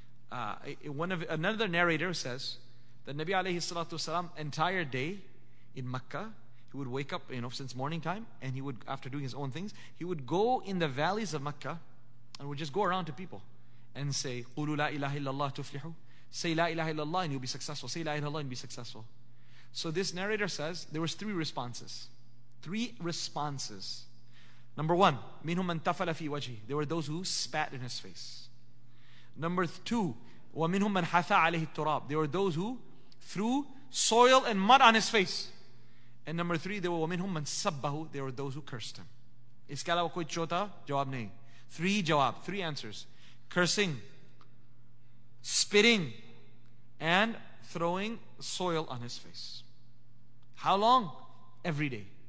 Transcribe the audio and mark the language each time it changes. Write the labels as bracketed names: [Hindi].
[English] Another narrator says that Nabi alayhi salam, entire day in Makkah, he would wake up, you know, since morning time, and he would, after doing his own things, he would go in the valleys of Makkah, and would just go around to people and say, [Arabic] قُلُوا لَا إِلَهَ إِلَّا اللَّهُ تُفْلِحُ. [English] Say [Arabic] لا إله إلا الله [English] and you'll be successful. Say لا إله إلا الله and be successful. So this narrator says there was three responses. Three responses. Number one, [Arabic] مِنْهُمْ مَنْ تَفَلَ فِي وَجْهِ. [English] There were those who spat in his face. Number two, [Arabic] وَمِنْهُمْ مَنْ حَثَى عَلَيْهِ التُّرَابِ. [English] There were those who threw soil and mud on his face. And number three, there were [Arabic] وَمِنْهُمْ مَنْ سَبَّهُ. [English] There were those who cursed him. [Urdu] Iska lawa koi chota jawab nahi. [English] Three jawab, three answers. Cursing, spitting, and throwing soil on his face. How long? Every day.